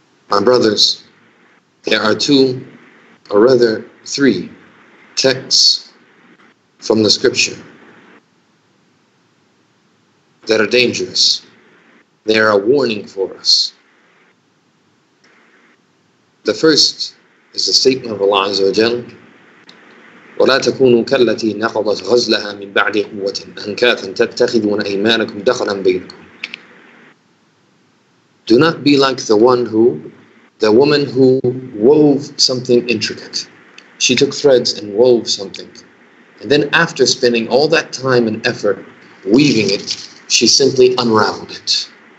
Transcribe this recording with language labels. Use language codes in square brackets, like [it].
[en] My brothers, there are two, or rather three, texts from the scripture that are dangerous. They are a warning for us. The first is the statement of Allah Azza wa Jalla, [ar] وَلَا تَكُونُوا كَالَّتِي نَقَضَتْ غَزْلَهَا مِنْ بَعْدِ قُوَّةٍ أَنْكَاثًا تَتَّخِذُونَ أَيْمَانَكُمْ دَخَلًا بَيْنَكُمْ. [en] Do not be like the one who, the woman who wove something intricate. She took threads and wove something. And then after spending all that time and effort weaving it, she simply unraveled it.